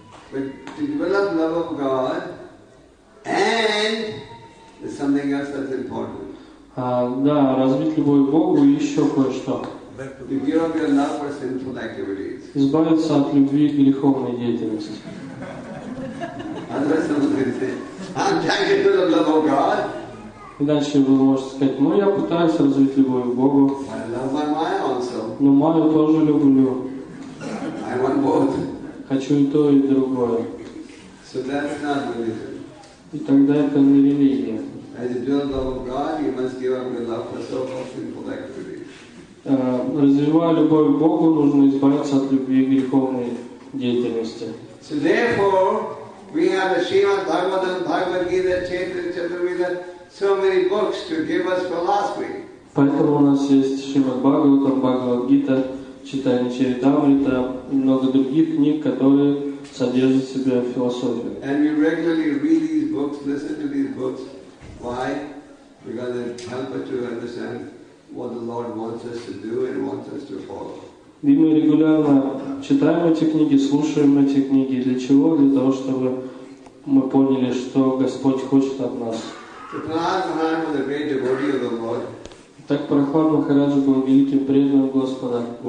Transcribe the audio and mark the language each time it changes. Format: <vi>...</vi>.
<en>But to develop love of God, and there's something else that's important.</en> <ru>Да, развить любовь к Богу и еще кое-что.</ru> <en>To give up your love for sinful activities.</en> <ru>Избавиться от любви к греховной деятельности.</ru> <en>Otherwise, someone's going to say, I'm trying to develop love of God.</en> <ru>Дальше вы можете сказать, ну я пытаюсь развить любовь к Богу.</ru> <en>I love my Maya also.</en> <ru>Но Майю тоже люблю.</ru> <en>I want both.</en> <ru>Хочу и то, и другое.</ru> <en>So that's not religion.</en> <ru>И тогда это не религия.</ru> <en>As you build love of God, you must give up your love for so-called sinful activities.</en> <ru>Развивая любовь к Богу, нужно избавиться от любви и греховной деятельности.</ru> <en>So therefore, we have the Srimad Bhagavatam, Bhagavad Gita, Chaitanya Charitamrita, so many books to give us philosophy.</en> <ru>Поэтому у нас есть Шримад Бхагаватам, Бхагавад Гита, Читание Чаритамрита и много других книг, которые содержат в себе философию.</ru> <en>And we regularly read these books, listen to these books. Why? Because they help us to understand what the Lord wants us to do and wants us to follow.</en> <ru>И мы регулярно читаем эти книги, слушаем эти книги. Для чего? Для того, чтобы мы поняли, что Господь хочет от нас.</ru> <en>So Prahlad Maharaj was a great devotee of the Lord.</en> <ru>Так Прохлад Махарадж был великим преданным Господа.</ru>